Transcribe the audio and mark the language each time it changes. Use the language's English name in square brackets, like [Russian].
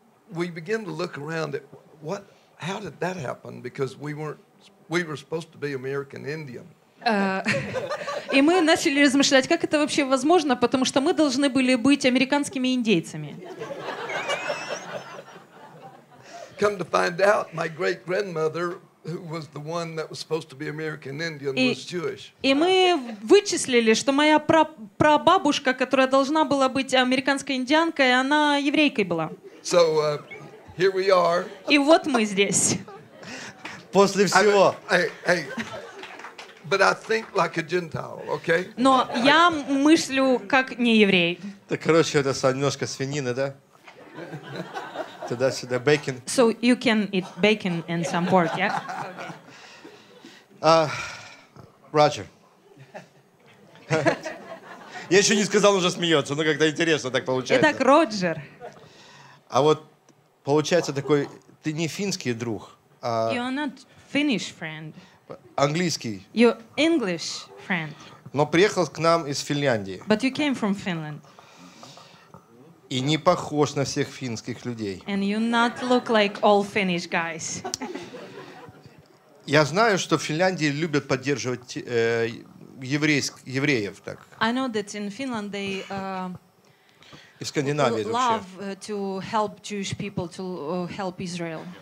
[English] We begin to look around at what, how did that happen? Because we were supposed to be American Indian. [Russian] И мы начали размышлять, как это вообще возможно, потому что мы должны были быть американскими индейцами. [English] Come to find out, my great grandmother, who was the one that was supposed to be American Indian, was Jewish. [Russian] И мы вычислили, что моя прабабушка, которая должна была быть американской индианкой, она еврейкой была. [English] So here we are. [Russian] И вот мы здесь. После всего. [English] Hey, but I think like a Gentile, okay? [Russian] Но я мыслю как не еврей. Так, короче, это немножко свинины, да? Туда-сюда бекон. [English] So you can eat bacon and some pork, yeah? Roger. [Russian] Я еще не сказал, уже смеется, но когда интересно так получается. Итак, Роджер. А вот получается такой, ты не финский друг. [English] You're not Finnish friend. [Russian] Английский. [English] You're English friend. [Russian] Но приехал к нам из Финляндии. [English] But you came from Finland. [Russian] И не похож на всех финских людей. [English] And you not look like all Finnish guys. [Russian] Я знаю, что в Финляндии любят поддерживать евреев так. [English] I know that in Finland they [Russian] И Скандинавия [English] love to help Jewish people, to help Israel.